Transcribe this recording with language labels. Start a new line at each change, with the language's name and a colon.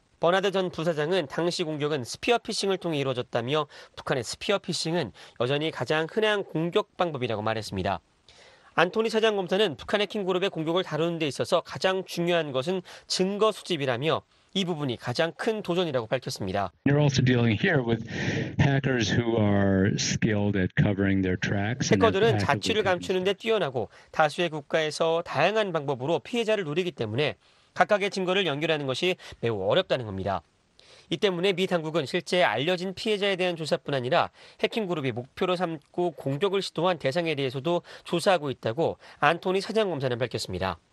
Korean: 버나드 전 부사장은 당시 공격은 스피어 피싱을 통해 이루어졌다며 북한의 스피어 피싱은 여전히 가장 흔한 공격 방법이라고 말했습니다. 안토니 차장검사는 북한 해킹 그룹의 공격을 다루는 데 있어서 가장 중요한 것은 증거 수집이라며 이 부분이 가장 큰 도전이라고 밝혔습니다.
English: You're also dealing here with hackers who are skilled at covering their tracks.
Korean: 해커들은 자취를 감추는 데 뛰어나고 다수의 국가에서 다양한 방법으로 피해자를 노리기 때문에 각각의 증거를 연결하는 것이 매우 어렵다는 겁니다. 이 때문에 미 당국은 실제 알려진 피해자에 대한 조사뿐 아니라 해킹 그룹이 목표로 삼고 공격을 시도한 대상에 대해서도 조사하고 있다고 안토니 사장검사는 밝혔습니다.